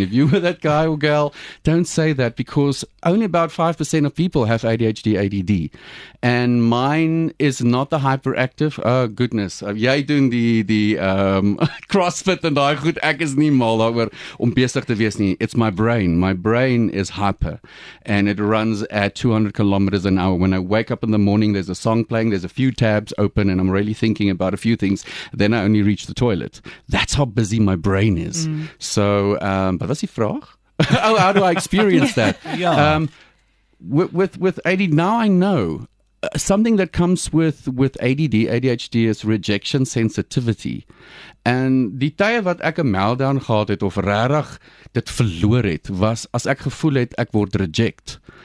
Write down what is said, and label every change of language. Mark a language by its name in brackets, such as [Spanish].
[English] If you were that guy or girl, don't say that, because only about 5% of people have ADHD, ADD. And mine is not the hyperactive. Oh, goodness. [Afrikaans] Jy doen die CrossFit en daai goed. Ek is nie mal daaroor om besig te wees nie. [English] It's my brain. My brain is hyper. And it runs at 200 kilometers an hour. When I wake up in the morning, there's a song playing. There's a few tabs open and I'm really thinking about a few things. Then I only reach the toilet. That's how busy my brain is. Mm. So, but [Afrikaans] was die vraag? [English] Oh, how do I experience that? Yeah. With ADD, now I know. Something that comes with ADD, ADHD, is rejection sensitivity. [Afrikaans] En die tye wat ek 'n meltdown gehad het of regtig dit verloor het, was as ek gevoel het ek word reject.